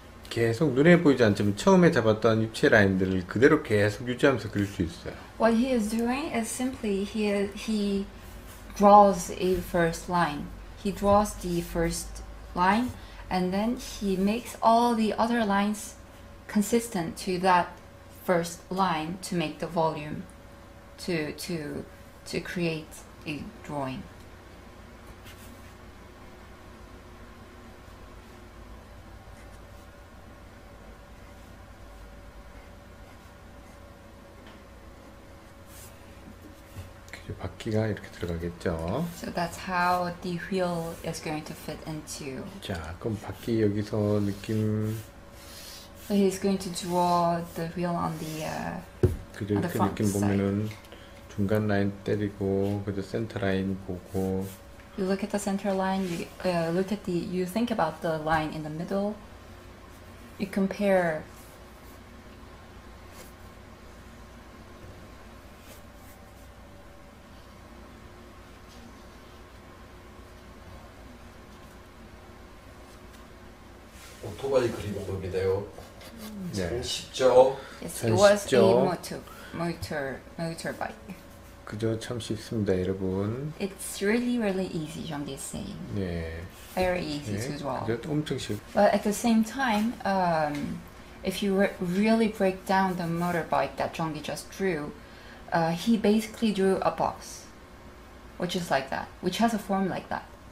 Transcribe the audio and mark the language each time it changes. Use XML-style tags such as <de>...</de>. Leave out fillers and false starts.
<ko>계속 눈에 보이지 않지만 처음에 잡았던 입체 라인들을 그대로 계속 유지하면서 그릴 수 있어요.</ko> <en>What he is doing is simply he draws a first line. He draws the first line and then he makes all the other lines consistent to that first line to make the volume to create a drawing.</en> <ko>바퀴가 이렇게 들어가겠죠.</ko> <en>So that's how the wheel is going to fit into.</en> <ko>자, 그럼 바퀴 여기서 느낌.</ko> <en>So he's going to draw the wheel on the.</en> <ko>그죠, 이렇게</ko> <en>front</en> <ko>느낌</ko> <en>side.</en> <ko>보면은 중간 라인 때리고 그죠 센터 라인 보고.</ko> <en>You look at the center line. You look at the. You think about the line in the middle. You compare.</en> <ko>오토바이 그리는 겁니다요. 네. 참 쉽죠?</ko> <en>Yes, it was</en> <ko>쉽죠?</ko> <en>a motorbike.</en> <ko>그죠, 참 쉽습니다, 여러분.</ko> <en>It's really, really easy, Zhongdi is saying.</en> <ko>네.</ko> <en>Very easy 네. to draw.</en> <ko>그죠, 엄청 쉽.</ko> <en>But at the same time, if you really break down the motorbike that Zhongdi just drew, he basically drew a box, which is like that, which has a form like that.</en>